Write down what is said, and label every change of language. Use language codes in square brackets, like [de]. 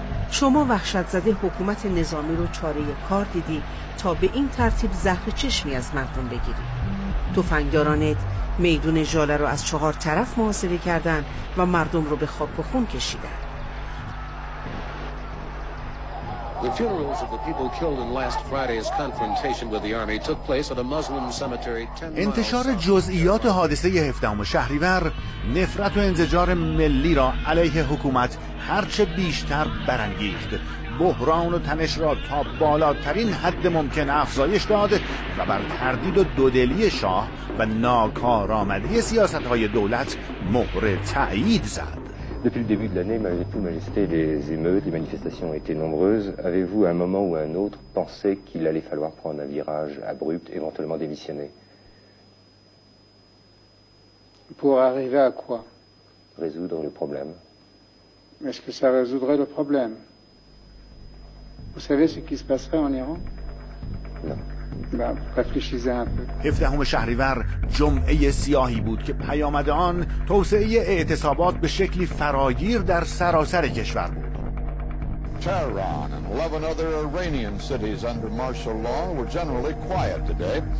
[fa] شما وحشت زده حکومت نظامی رو چاره کار دیدی تا به این ترتیب زهر چشمی از مردم بگیری. تفنگدارانت میدون جاله رو از چهار طرف محاصره کردن و مردم رو به خاک و خون کشیدن. [en] The funerals of the people killed in last Friday's confrontation with the army took place at a Muslim cemetery 10 miles. [fa] انتشار جزئیات حادثه 17 شهریور نفرت و انزجار ملی را علیه حکومت هرچه بیشتر برانگیخت. بحران و تنش را تا بالاترین حد ممکن افزایش داد و بر تردید و دودلی شاه و ناکارآمدی سیاست‌های دولت مهر تأیید زد. [fr] Depuis le début de l'année, malgré tout, Majesté, les émeutes, les manifestations étaient nombreuses. Avez-vous, à un moment ou à un autre, pensé qu'il allait falloir prendre un virage abrupt, éventuellement démissionner ? Pour arriver à quoi ? Résoudre le problème. Est-ce que ça résoudrait le problème ? Vous savez ce qui se passerait en Iran ? Non. [fa] هفدهم شهریور جمعه سیاهی بود که پیامد آن توسعه اعتصابات به شکلی فراگیر در سراسر کشور بود. [en] Tehran and 11 other Iranian cities under martial law were generally quiet today.